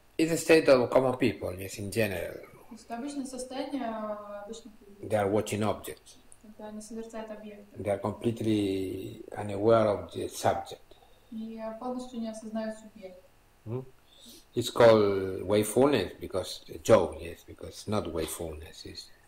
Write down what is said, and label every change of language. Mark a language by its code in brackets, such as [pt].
[en] It's a state of common people, yes, in general. [ru] Обычное состояние обычных людей. [en] They are watching objects. [ru] Когда они созерцают объекты. [en] They are completely unaware of the subject. [ru] И полностью не осознают субъект. [en] It's called wakefulness because joke, yes, because it's not wakefulness, it's